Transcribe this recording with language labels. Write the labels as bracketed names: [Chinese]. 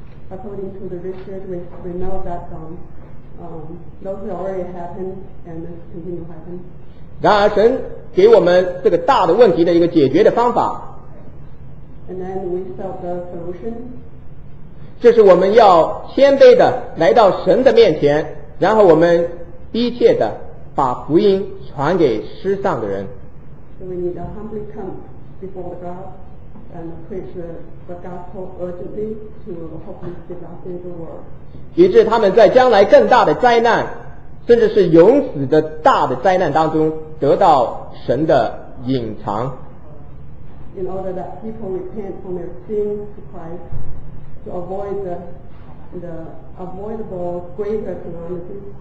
[English] According to the research, we know that those have already happened and continue to happen. [Chinese] 然而，神给我们这个大的问题的一个解决的方法。 [English] And then we saw the solution. [Chinese] 这是我们要谦卑的来到神的面前，然后我们低切的把福音传给失丧的人。 [English] So we need to humbly come before the God and preach the gospel urgently to hopeless disaster in the world. [Chinese] 以致他们在将来更大的灾难，甚至是永死的大的灾难当中，得到神的隐藏。 [English] In order that people repent from their sins to Christ to avoid the avoidable greater calamity.